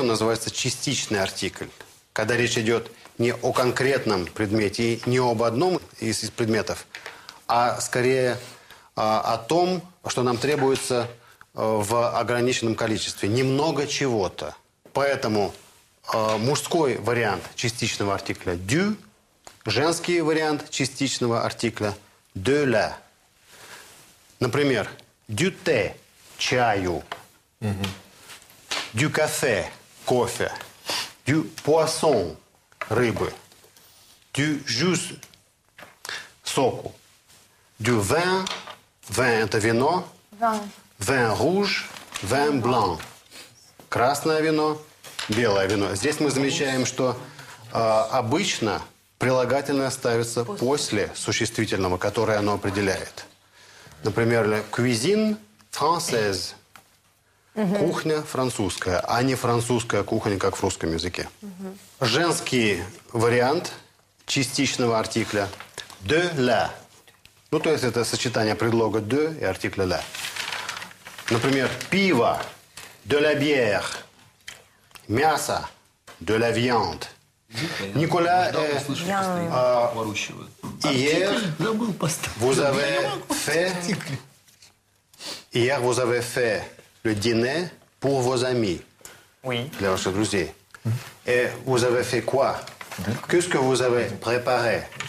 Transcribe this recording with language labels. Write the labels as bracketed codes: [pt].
[ru] Он называется частичный артикль. Когда речь идет не о конкретном предмете и не об одном из предметов, а скорее о том, что нам требуется... в ограниченном количестве. Немного чего-то. Поэтому мужской вариант частичного артикля – «du», женский вариант частичного артикля – «de la». Например, [fr] «du thé» – [ru] чаю, [fr] «du café» – [ru] кофе, [fr] «du poisson» – [ru] рыбы, [fr] «du jus» – [ru] соку, [fr] «du vin» – «vin» – [ru] это вино. [fr] Vin rouge, vin blanc. [ru] Красное вино, белое вино. Здесь мы замечаем, что обычно прилагательное ставится после существительного, которое оно определяет. Например, [fr] cuisine française. [ru] Кухня французская, а не французская кухня, как в русском языке. Женский вариант частичного артикля de la. Ну, то есть это сочетание предлога de и артикля la. Например, пиво – [fr] de la bière, [ru] мясо – [fr] de la viande. [ru] Николя... Я недавно слышал, что ты поварущего. [fr] Hier, [ru] забыл поставить. [fr] Vous avez fait. Hier, vous avez fait le dîner pour vos amis. Oui. [ru] Для ваших друзей. [fr] Et vous avez fait quoi? Qu'est-ce que vous avez préparé?